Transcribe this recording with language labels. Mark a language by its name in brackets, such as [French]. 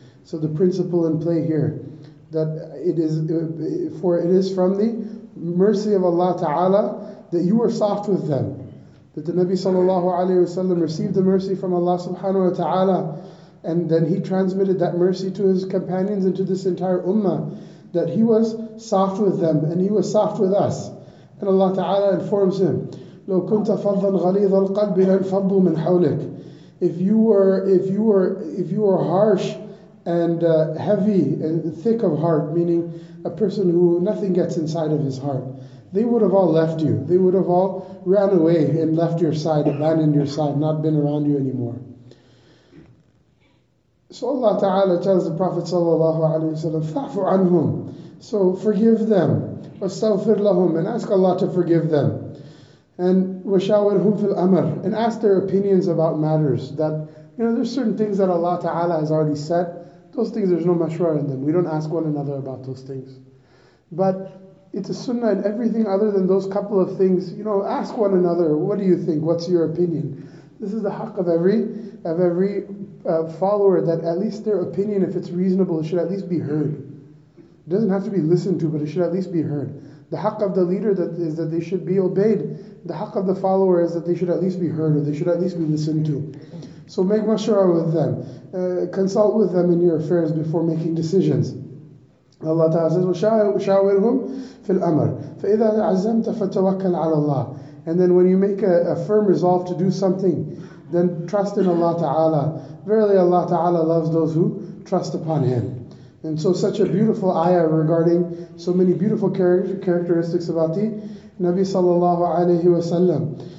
[English] So the principle in play here, that it is from the mercy of Allah Ta'ala that you were soft with them. That the Nabi Sallallahu Alaihi Wasallam received the mercy from Allah Subhanahu Wa Ta'ala, and then he transmitted that mercy to his companions and to this entire ummah, that he was soft with them and he was soft with us. And Allah Ta'ala informs him, [Arabic] لو كنت فظا غليظ القلب لانفضوا من حولك. [English] If you were harsh and heavy and thick of heart, meaning a person who nothing gets inside of his heart, they would have all left you. They would have all ran away and left your side, abandoned your side, not been around you anymore. So Allah Ta'ala tells the Prophet Sallallahu Alaihi Wasallam, [Arabic] فَعْفُ عَنْهُمْ. [English] So forgive them. [Arabic] وَاسْتَغْفِرْ لَهُمْ. [English] And ask Allah to forgive them. [Arabic] And وَشَاوِرْهُمْ فِي الْأَمَرِ. [English] And ask their opinions about matters. That, you know, there's certain things that Allah Ta'ala has already said. Those things, there's no mashwara in them. We don't ask one another about those things. But it's a sunnah, and everything other than those couple of things, you know, ask one another, what do you think? What's your opinion? This is the haqq of every follower, that at least their opinion, if it's reasonable, should at least be heard. It doesn't have to be listened to, but it should at least be heard. The haqq of the leader is that they should be obeyed. The haqq of the follower is that they should at least be heard, or they should at least be listened to. So make mashura with them. Consult with them in your affairs before making decisions. Allah Ta'ala says, [Arabic] وَشَاوِرْهُمْ فِي الْأَمَرِ فَإِذَا عَزَمْتَ فَتَوَكَّلْ عَلَى اللَّهِ. [English] And then when you make a firm resolve to do something, then trust in Allah Ta'ala. Verily Allah Ta'ala loves those who trust upon Him. And so such a beautiful ayah regarding so many beautiful characteristics about the Nabi Sallallahu Alaihi Wasallam.